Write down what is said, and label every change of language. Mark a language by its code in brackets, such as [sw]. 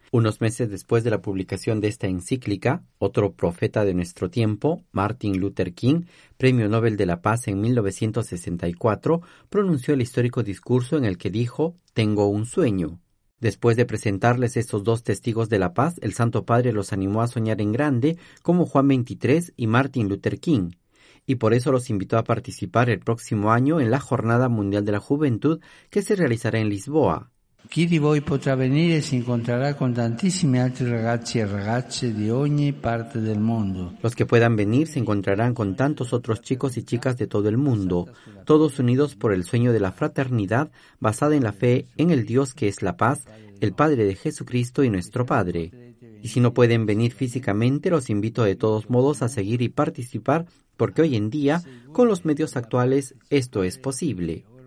[es] Unos meses después de la publicación de esta encíclica, otro profeta de nuestro tiempo, Martin Luther King, premio Nobel de la Paz en 1964, pronunció el histórico discurso en el que dijo, «Tengo un sueño». Después de presentarles estos 2 testigos de la paz, el Santo Padre los animó a soñar en grande como Juan XXIII y Martin Luther King, y por eso los invitó a participar el próximo año en la Jornada Mundial de la Juventud que se realizará en Lisboa. [it] Chi di voi potrà venire si incontrerà con tantissimi altri ragazzi e ragazze di ogni parte del mondo. [es] Los que puedan venir se encontrarán con tantos otros chicos y chicas de todo el mundo, todos unidos por el sueño de la fraternidad basada en la fe en el Dios que es la paz, el Padre de Jesucristo y nuestro Padre. Y si no pueden venir físicamente, los invito de todos modos a seguir y participar, porque hoy en día, con los medios actuales, esto es posible.